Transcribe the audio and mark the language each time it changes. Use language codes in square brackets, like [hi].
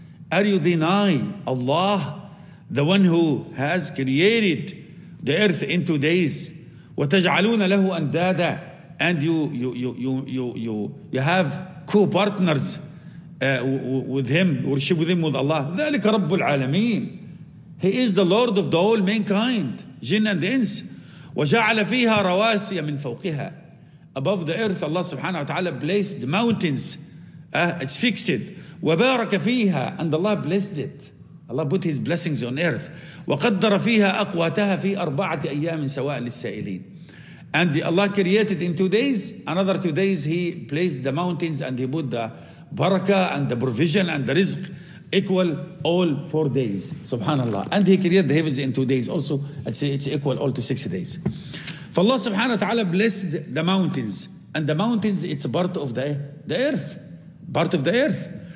[en] Are you denying Allah, the one who has created the earth in 2 days? [ar] وَتَجْعَلُونَ لَهُ أَنْدَادًا. [en] And you have co-partners with him, worship with him, with Allah. [ar] ذلك رب العالمين. [en] He is the Lord of the whole mankind, jinn and ins. [ar] وجعل فيها رواسي من فوقها. [en] Above the earth, Allah subhanahu wa ta'ala placed mountains. It's fixed. [ar] وبارك فيها. [en] And Allah blessed it. Allah put his blessings on earth. [ar] وقدر فيها أقواتها في أربعة أيام سواء للسائلين. [en] And Allah created in 2 days, another 2 days he placed the mountains and he put the barakah and the provision and the rizq equal all 4 days, subhanAllah. And he created the heavens in 2 days also, it's equal all to 6 days. For Allah subhanahu wa ta'ala blessed the mountains, and the mountains, it's part of the earth, part of the earth.